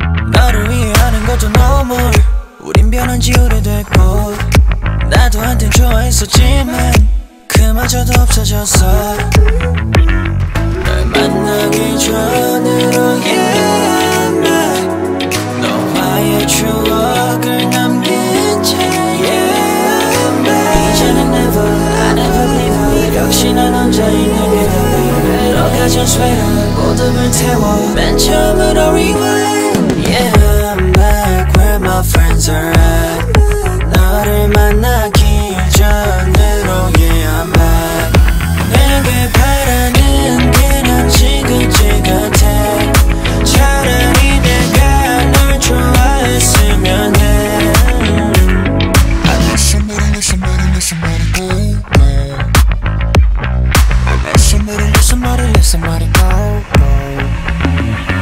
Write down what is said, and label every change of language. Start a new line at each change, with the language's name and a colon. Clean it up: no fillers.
Korean: 너를 위해 하는 것도
English: no more.
Korean: 우린 변한 지 오래됐고, 나도 한때 좋아했었지만 그마저도 없어졌어. 널 만나기 전으로,
English: yeah, I'm back.
Korean: 너와의 추억을 남긴 채,
English: yeah, I'm back.
Korean: 이제는
English: never, I never leave her.
Korean: 역시 난 혼자 있는 게 더 better. 너 가진 sweater, 모듬을 태워. 맨 처음으로 rewind.
English: Yeah, I'm back where my friends are at.
Korean: 너를 만나기 이전으로,
English: yeah, I'm back.
Korean: 내게 바라는 게 난 지긋지긋해. 차라리 내가 널 좋아했으면 해.
English: I miss somebody, miss somebody, miss somebody, go, go. I miss somebody, miss somebody, miss somebody, go, go.